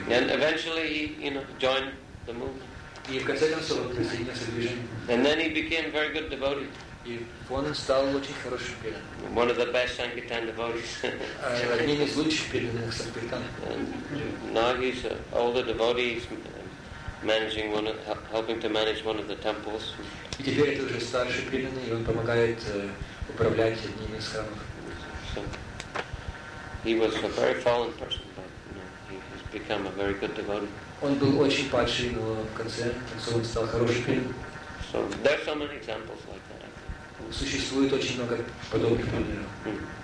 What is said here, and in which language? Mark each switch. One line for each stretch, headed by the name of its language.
English: And eventually he, you know, joined the movement.
Russian: И в конце концов он присоединился к движению.
English: And then he became very good devotee.
Russian: И он стал очень хорошим преданным.
English: One of the best Sankirtan devotees.
Russian: Одним из лучших преданных Санкиртан.
English: Now he's an older devotee, he's managing one of, helping to manage one of the temples.
Russian: И теперь это уже старший преданный, и он помогает управлять одним из храмов.
English: So, he was a very fallen person, but you know, he's become a very good devotee.
Russian: Он был очень падший, но в конце концов он стал хорошим преданным.
English: So, there are so many examples like that.
Russian: Существует очень много подобных примеров.